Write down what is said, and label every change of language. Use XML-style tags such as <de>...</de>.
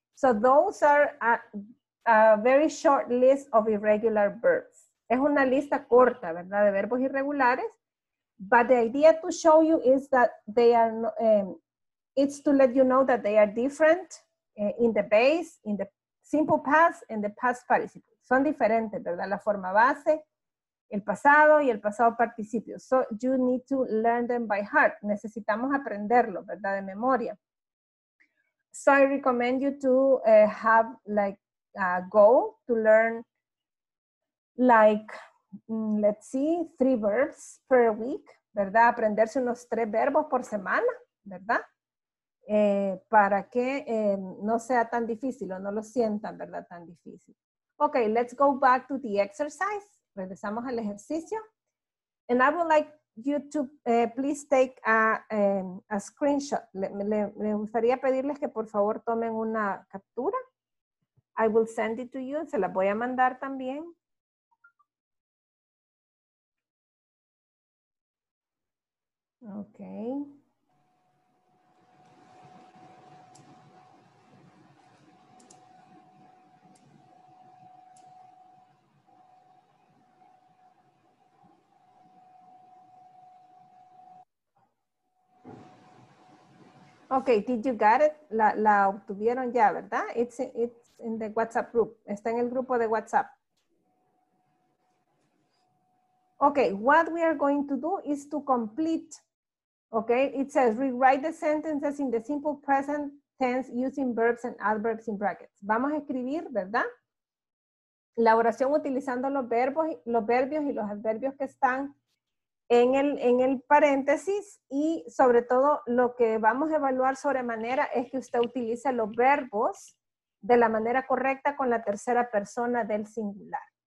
<en>So those are a very short list of irregular verbs.</en> <es>Es una lista corta, ¿verdad? De verbos irregulares.</es> <en>But the idea to show you is that they are, it's to let you know that they are different in the base, in the simple past, and the past participle.</en> <es>Son diferentes, ¿verdad? La forma base, el pasado y el pasado participio.</es> <en>So you need to learn them by heart.</en> <es>Necesitamos aprenderlo, ¿verdad? De memoria.</es> <en>So I recommend you to have like a goal to learn like, let's see, 3 verbs per week, ¿verdad?</en> <es>Aprenderse unos 3 verbos por semana, ¿verdad? Para que no sea tan difícil o no lo sientan, ¿verdad? Tan difícil.</es> <en>Okay, let's go back to the exercise.</en> <es>Regresamos al ejercicio.</es> <en>And I would like you to please take a screenshot.</en> <es>Me gustaría pedirles que por favor tomen una captura.</es> <en>I will send it to you.</en> <es>Se la voy a mandar también.</es> <en>Okay. Okay, did you get it?</en> <es>La obtuvieron ya, ¿verdad?</es> <en>It's in the WhatsApp group.</en> <es>Está en el grupo de WhatsApp.</es> <en>Okay, what we are going to do is to complete. Okay, it says rewrite the sentences in the simple present tense using verbs and adverbs in brackets.</en> <es>Vamos a escribir, ¿verdad? La oración utilizando los verbos, los verbios y los adverbios que están en el paréntesis, y sobre todo lo que vamos a evaluar sobremanera es que usted utilice los verbos de la manera correcta con la tercera persona del singular.</es>